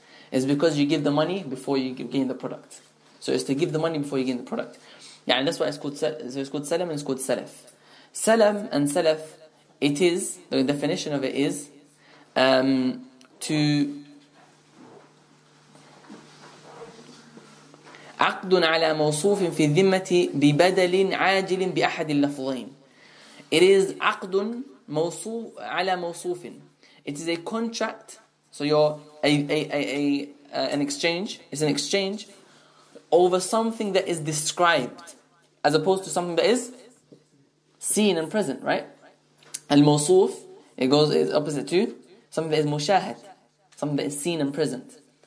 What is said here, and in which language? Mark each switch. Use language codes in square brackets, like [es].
[en] It's because you give the money before you gain the product. So it's to give the money before you gain the product. Yeah, and that's why it's called salam and it's called salaf. Salam and salaf, it is, the definition of it is, to... [ar] عقد على موصوف في الذمة ببدل عاجل بأحد اللفظين. [en] It is [ar] عقد موصوف على موصوف. [en] It is a contract. So you're an exchange. It's an exchange over something that is described, as opposed to something that is seen and present, right? الموصوف, it goes is opposite to something that is مشاهد, something that is seen and present.